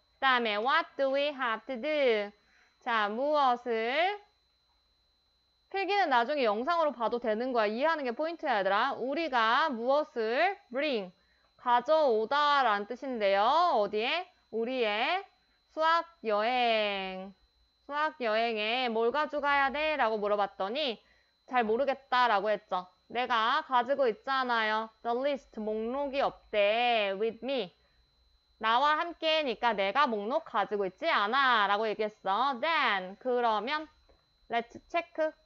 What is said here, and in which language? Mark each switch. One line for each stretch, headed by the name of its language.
Korean: 다음에
English: what do we have to do?
Korean: 자, 무엇을? 필기는 나중에 영상으로 봐도 되는 거야. 이해하는 게 포인트야, 얘들아. 우리가 무엇을 bring, 가져오다 라는 뜻인데요. 어디에? 우리의 수학 여행. 수학 여행에 뭘 가져가야 돼? 라고 물어봤더니 잘 모르겠다 라고 했죠. 내가 가지고 있잖아요.
English: The list,
Korean: 목록이 없대.
English: With me.
Korean: 나와 함께니까 내가 목록 가지고 있지 않아 라고 얘기했어.
English: Then,
Korean: 그러면,
English: let's check.